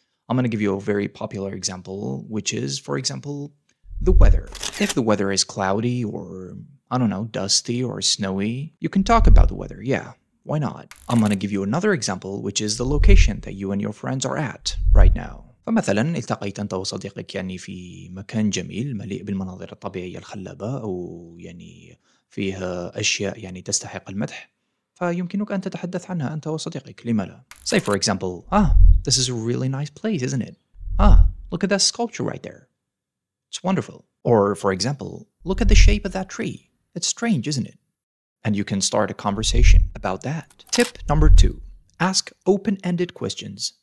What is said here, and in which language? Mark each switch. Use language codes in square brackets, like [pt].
[en] I'm going to give you a very popular example, which is, for example, the weather. If the weather is cloudy or, I don't know, dusty or snowy, you can talk about the weather, yeah. Why not? I'm going to give you another example, which is the location that you and your friends are at right now. [ar] فمثلا التقيت انت وصديقك يعني في مكان جميل مليء بالمناظر الطبيعية الخلابة او يعني فيها اشياء يعني تستحق المدح فيمكنك ان تتحدث عنها انت وصديقك لما لا. [en] Say for example, this is a really nice place, isn't it? Look at that sculpture right there. It's wonderful. Or for example, look at the shape of that tree. It's strange, isn't it? And you can start a conversation about that. Tip number two, ask open-ended questions.